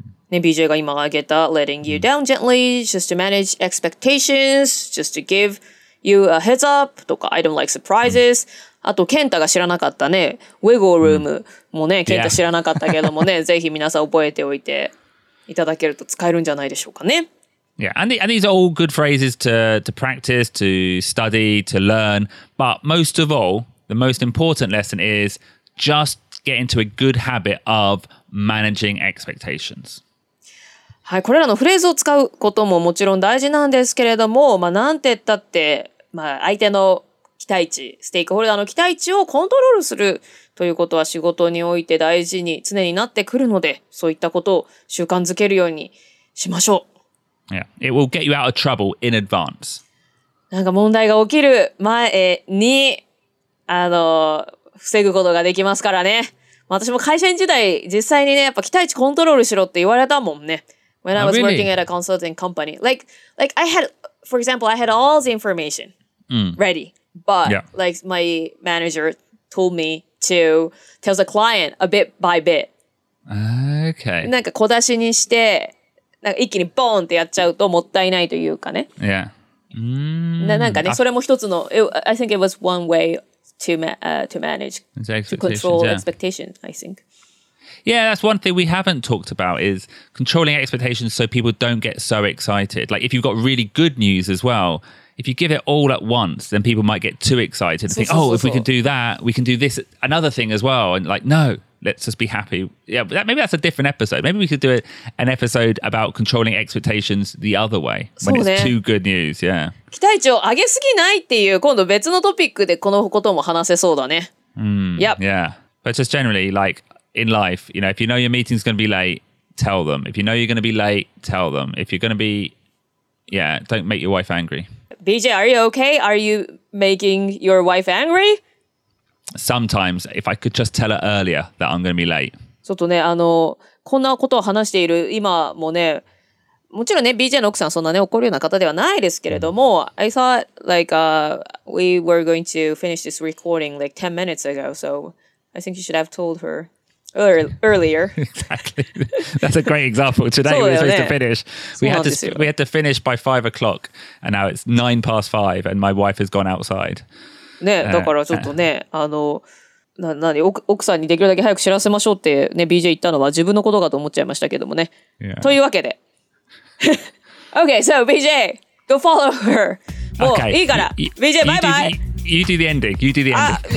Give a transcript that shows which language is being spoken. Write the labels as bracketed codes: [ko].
[ja] ね、BJ が今挙げた [en] Letting you down gently, just to manage expectations, just to giveYou a heads up [ja] とか [en] I don't like surprises、 [ja] うん、あとケンタが知らなかったねウェゴールームもね、うん、ケンタ知らなかったけどもね、yeah. ぜひ皆さん覚えておいていただけると使えるんじゃないでしょうかね。 [en] Yeah, and these are all good phrases to practice, to study, to learn. But most of all, the most important lesson is just get into a good habit of managing expectations. [ja] はい、これらのフレーズを使うことももちろん大事なんですけれども、まあ、なんて言ったって、まあ、相手の期待値、ステークホルダーの期待値をコントロールするということは仕事において大事に常になってくるので、そういったことを習慣づけるようにしましょう。 [en] Yeah. It will get you out of trouble in advance. [ja] なんか問題が起きる前に、防ぐことができますからね。私も会社員時代、実際にね、やっぱ期待値コントロールしろって言われたもんね。 [en] When I was working at a consulting company, like I had, for example, I had all the information ready, but like my manager told me to tell the client a bit by bit. Okay. [ja] なんか小出しにして、なんか一気にボーンってやっちゃうともったいないというかね。 [en] Yeah. [ja] なんかね、それも一つの、 [en] I think it was one way to manage, to control expectations, I think. Yeah, that's one thing we haven't talked about is controlling expectations so people don't get so excited. Like if you've got really good news as well, if you give it all at once, then people might get too excited and think, oh, if we can do that, we can do this, another thing as well. And like, no, let's just be happy. Yeah, that, maybe that's a different episode. Maybe we could do an episode about controlling expectations the other way. When it's too good news, yeah. [ja] 期待値を上げすぎないっていう、今度別のトピックでこのことも話せそうだね。 [en] Yep. Yeah. But just generally, like in life, you know, if you know your meeting's going to be late, tell them. If you know you're going to be late, tell them. If you're going to be, yeah, don't make your wife angry. BJ, are you okay? Are you making your wife angry? Sometimes, if I could just tell her earlier that I'm going to be late. [ja] ちょっとね、こんなことを話している今もね、もちろんね、BJ の奥さんそんなね、怒るような方ではないですけれども、 [en] I thought, like, we were going to finish this recording like 10 minutes ago, so I think you should have told her. Earlier. Exactly. That's a great example. Today we were supposed to finish. We had to finish by 5 o'clock and now it's 9 past 5 and my wife has gone outside. [ja] ね、だからちょっとね、なに、奥さんにできるだけ早く知らせましょうってね、BJ 言ったのは自分のことかと思っちゃいましたけどもね。 [en] Yeah. [ja] というわけで。 [en] Okay, so BJ, go follow her. [ja] もういいから。 [en] BJ, bye bye! You do the ending. You do the ending.